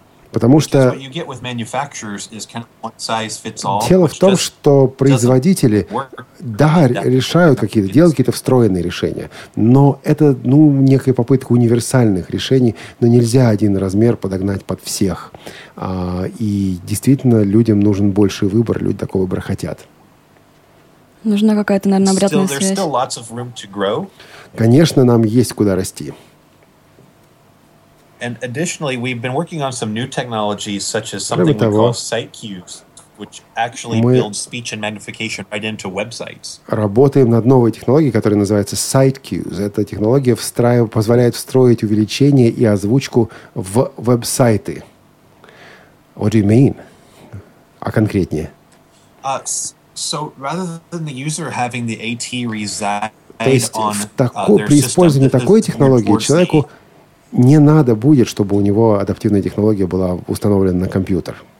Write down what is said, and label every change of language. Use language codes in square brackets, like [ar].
[ru] Потому что дело в том, что производители, да, решают какие-то, делают какие-то встроенные решения, но это, некая попытка универсальных решений, но нельзя один размер подогнать под всех. И действительно, людям нужен больший выбор, люди такого выбора хотят. Нужна какая-то, наверное, обратная связь. [en] Still lots of room to grow. [ru] Конечно, нам есть куда расти. [en] And additionally, we've been working on some new technologies, such as something [ru] того, [en] we call SiteQs, which actually builds speech and magnification right into websites. [ru] Работаем над новой технологией, которая называется SiteQs. Эта технология позволяет встроить увеличение и озвучку в веб-сайты. [en] What do you mean? [ru] А конкретнее? [en] So rather than the user having the AT reside [ru] то есть, [en] on [ru] при использовании такой технологии человеку не надо будет, чтобы у него адаптивная технология была установлена на компьютер.